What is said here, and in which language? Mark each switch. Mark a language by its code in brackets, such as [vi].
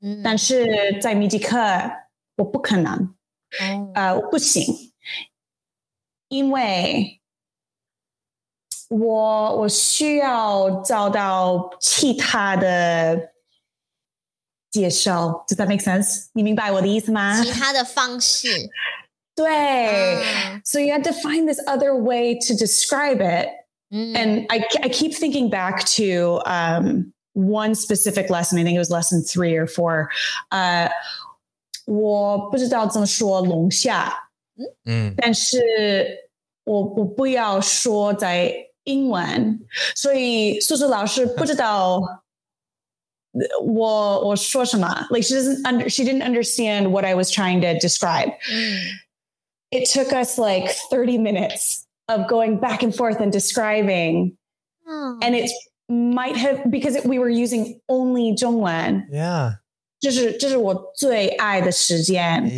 [zh] 但是在密集课，我不可能，不行，因为我需要找到其他的介绍。 [en] Does that make sense? [zh] 你明白我的意思吗？其他的方式。对。 [en] So you had to find this other way to describe it. And I keep thinking back to one specific lesson. I think it was lesson 3 or 4. [zh] 我不知道怎么说龙虾。但是我不要说在英文，所以素素老师不知道我说什么。 [en] Like she didn't understand what I was trying to describe. It took us like 30 minutes of going back and forth and describing. And it might have, because we were using only 中文. Yeah. [zh] 这是我最爱的时间.Yeah.